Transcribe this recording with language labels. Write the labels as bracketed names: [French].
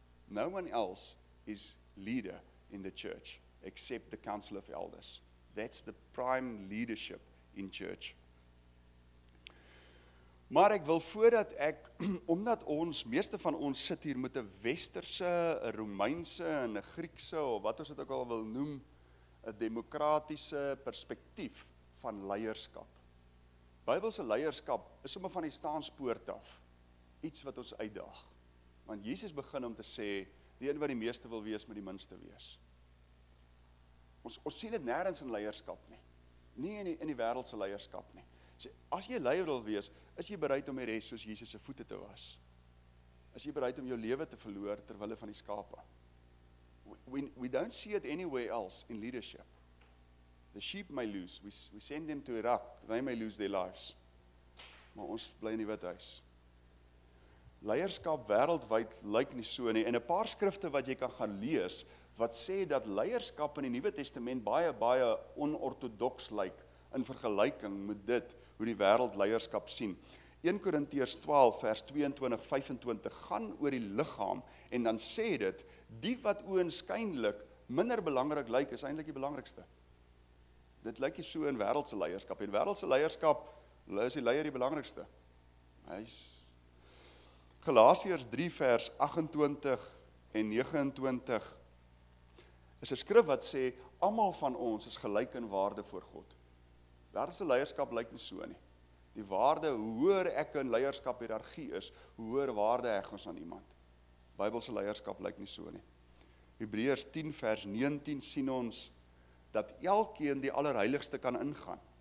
[English] No one else is leader in the church except the council of elders. That's the prime leadership in church. [Afrikaans] Maar ek wil voordat ek, omdat ons, meeste van ons sit hier met 'n westerse, 'n Romeinse en 'n Griekse, of wat ons dit ook al wil noem, 'n demokratiese perspektief van leierskap. Bybelse leierskap is sommer van die staanspoort af, iets wat ons uitdaag. Want Jesus begin om te sê, die een wat die meeste wil wees, moet die minste wees. Ons sien dit nêrens in leierskap nie. nie in die wêreldse leierskap nie. Sê, as jy leier wil wees, is jy bereid om die res soos Jesus se voete te was? Is jy bereid om jou lewe te verloor ter wille van die skape? [English] We don't see it anywhere else in leadership. The sheep may lose, we send them to Iraq, they may lose their lives. [Afrikaans] Maar ons bly in die Withuis. Leierskap wêreldwyd lyk nie so nie, en 'n paar skrifte wat jy kan gaan lees, wat sê dat leierskap in die Nuwe Testament baie, baie onorthodoks lyk, in vergelyking met dit, hoe die wêreld leierskap sien. 1 Korintiërs 12 vers 22, 25, gaan oor die liggaam, en dan sê dit, die wat oënskynlik minder belangrik lyk, is eintlik die belangrikste. Dit lyk nie so in wêreldse leierskap, en wêreldse leierskap, hulle is die leier die belangrikste. Galasiërs 3 vers 28 en 29 is 'n skrif wat sê, almal van ons is gelyk in waarde voor God. Wêreldse leierskap lyk nie so nie. Die waarde, hoe hoër ek in leierskap hiërargie is, hoe hoër waarde heg ons aan iemand. Bybelse leierskap lyk nie so nie. Hebreërs 10 vers 19 sien ons dat elkeen die allerheiligste kan ingaan.